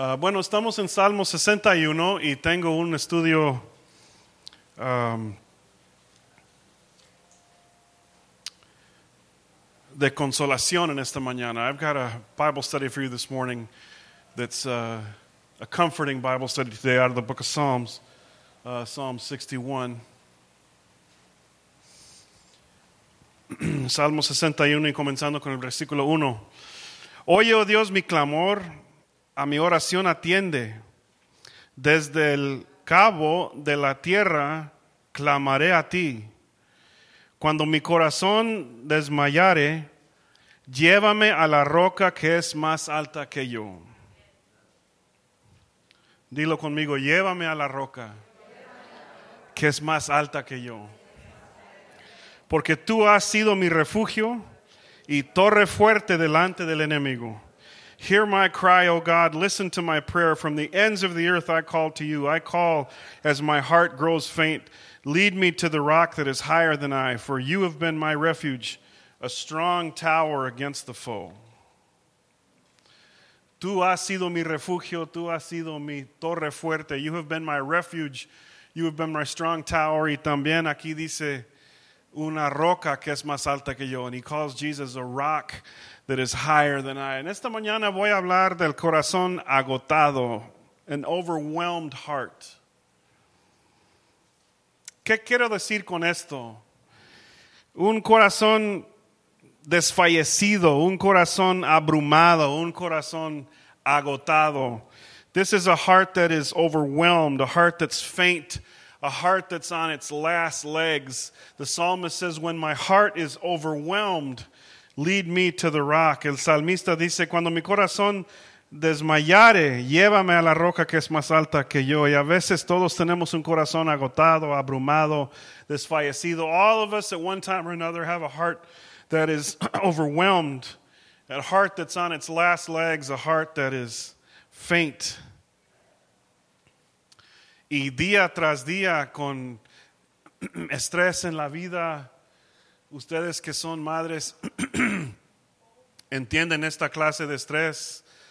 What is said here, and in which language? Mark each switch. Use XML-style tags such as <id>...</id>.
<es>Bueno, estamos en Salmo 61 y tengo un estudio de consolación en esta mañana.</es> <en>I've got a Bible study for you this morning that's a comforting Bible study today out of the book of Psalms, Psalm 61.</en> <es>Salmo 61 y comenzando con el versículo 1. Oye, oh Dios, mi clamor, a mi oración atiende. Desde el cabo de la tierra clamaré a ti. Cuando mi corazón desmayare, llévame a la roca que es más alta que yo. Dilo conmigo, llévame a la roca que es más alta que yo. Porque tú has sido mi refugio y torre fuerte delante del enemigo.</es> <en>Hear my cry, O God, listen to my prayer. From the ends of the earth I call to you. I call as my heart grows faint. Lead me to the rock that is higher than I, for you have been my refuge, a strong tower against the foe.</en> <es>Tú has sido mi refugio, tú has sido mi torre fuerte.</es> <en>You have been my refuge, you have been my strong tower.</en> <es>Y también aquí dice, una roca que es más alta que yo.</es> <en>And he calls Jesus a rock that is higher than I.</en> <es>En esta mañana voy a hablar del corazón agotado,</es> <en>an overwhelmed heart.</en> <es>¿Qué quiero decir con esto? Un corazón desfallecido, un corazón abrumado, un corazón agotado.</es> <en>This is a heart that is overwhelmed, a heart that's faint, a heart that's on its last legs. The psalmist says, when my heart is overwhelmed, lead me to the rock.</en> <es>El salmista dice, cuando mi corazón desmayare, llévame a la roca que es más alta que yo. Y a veces todos tenemos un corazón agotado, abrumado, desfallecido.</es> <en>All of us at one time or another have a heart that is overwhelmed, a heart that's on its last legs, a heart that is faint.</en> <es>Y día tras día con estrés en la vida, ustedes que son madres entienden esta clase de estrés.</es>